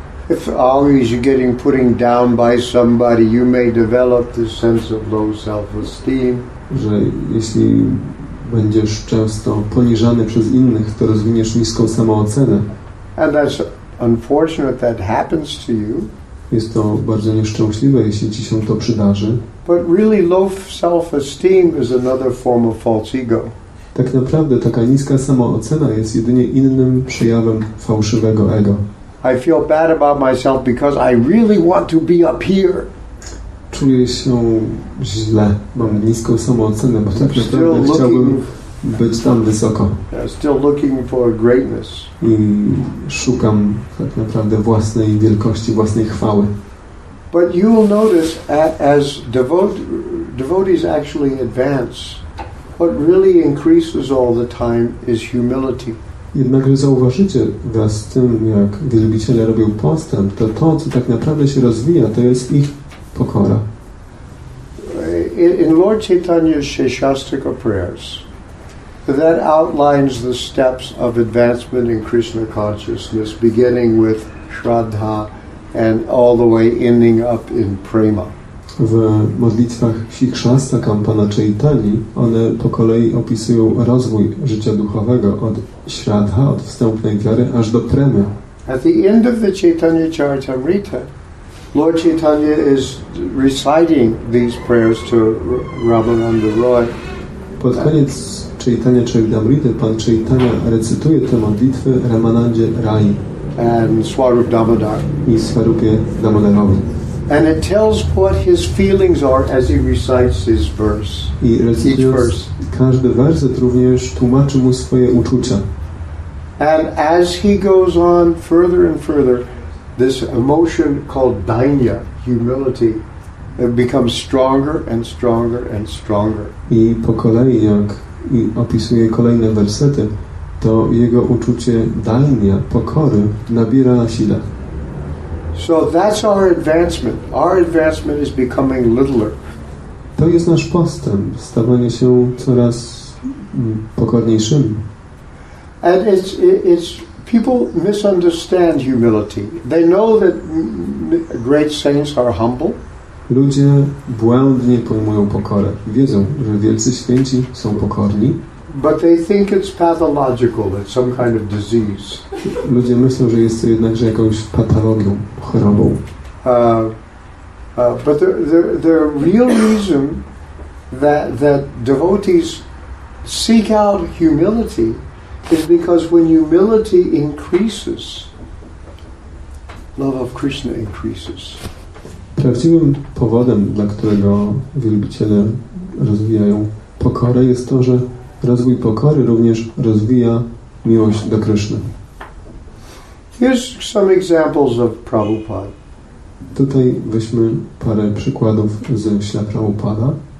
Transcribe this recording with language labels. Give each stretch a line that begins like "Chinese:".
English: If always you're getting putting down by somebody, you may develop this sense of low self-esteem.
Polish: Że jeśli będziesz często poniżany przez innych, to rozwiniesz niską samoocenę.
English: And that's unfortunate that happens to you.
Polish: Jest to bardzo nieszczęśliwe, jeśli ci się to przydarzy.
English: But really low self-esteem is another form of false ego.
Polish: Tak naprawdę taka niska samoocena jest jedynie innym przejawem fałszywego ego.
English: I feel bad about myself because I really want to be up here.
Polish: Czuję się źle. Mam niską samoocenę, bo tak naprawdę chciałbym być tam wysoko.
English: Still looking for greatness.
Polish: I szukam tak naprawdę własnej wielkości, własnej chwały.
English: But you will notice as devotees actually advance, what really increases all the time is humility.
Polish: Jednakże zauważycie wraz z tym, jak wielbiciele robią postęp, to, co tak naprawdę się rozwija, to jest ich pokora.
English: In Lord Chaitanya's Sheshastika prayers, that outlines the steps of advancement in Krishna consciousness, beginning with Shraddha and all the way ending up in Prema.
Polish: W modlitwach Sikshastakam Pana Chaitani one po kolei opisują rozwój życia duchowego od śradha, od wstępnej wiary, aż do premy.
English: At the end of the Chaitanya Charitamrita, Lord Chaitanya is reciting these prayers to Ramananda Roy.
Polish: Pod koniec Chaitanya Charitamrita Pan Chaitanya recytuje te modlitwy Ramanandzie Rai
English: and Swarup Damodar.
Polish: I Swarupie Damodarowi.
English: And it tells what his feelings are as he recites his verse.
Polish: I recytując
English: each verse.
Polish: Każdy werset również tłumaczy mu swoje uczucia.
English: And as he goes on further and further, this emotion called dānya, humility, becomes stronger and stronger and stronger.
Polish: I po kolei, jak opisuje kolejne wersety, to jego uczucie dānya, pokory, nabiera na sile.
English: So that's our advancement. Our advancement is becoming littler.
Polish: To jest nasz postęp, stawanie się coraz pokorniejszym.
English: And it's people misunderstand humility. They know that great saints are humble.
Polish: Ludzie błędnie pojmują pokorę. Wiedzą, że wielcy święci są pokorni.
English: But they think it's pathological, it's some kind of disease.
Polish: Ludzie myślą, że jest to jednakże jakąś patologią, chorobą.
English: But the real reason that devotees seek out humility is because when humility increases, love of Krishna increases.
Polish: Prawdziwym powodem, dla którego wielbiciele rozwijają pokorę, jest to, że rozwój pokory również rozwija miłość do Kryszny.
English: Here's some examples of Prabhupada.
Polish: Tutaj weźmy parę przykładów ze śla Prabhupada.